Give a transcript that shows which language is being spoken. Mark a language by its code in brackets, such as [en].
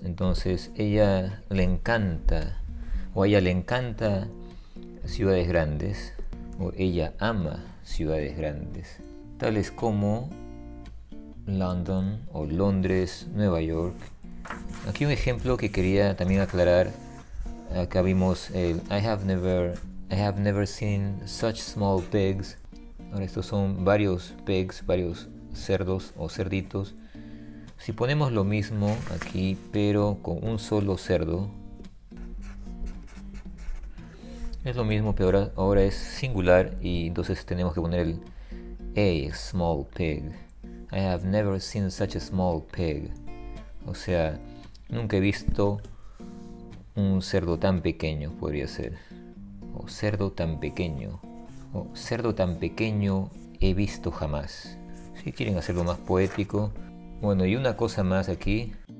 [es] Entonces, ella le encanta, o a ella le encanta ciudades grandes, o ella ama ciudades grandes, tales como. London o Londres, Nueva York. Aquí un ejemplo que quería también aclarar. Acá vimos el [en] I have never seen such small pigs. [es] Ahora estos son varios pigs, varios cerdos o cerditos. Si ponemos lo mismo aquí, pero con un solo cerdo, es lo mismo, pero ahora es singular y entonces tenemos que poner el [en] a small pig. I have never seen such a small pig. [es] O sea, nunca he visto un cerdo tan pequeño, podría ser. O cerdo tan pequeño. O cerdo tan pequeño he visto jamás. Si quieren hacerlo más poético. Bueno, y una cosa más aquí.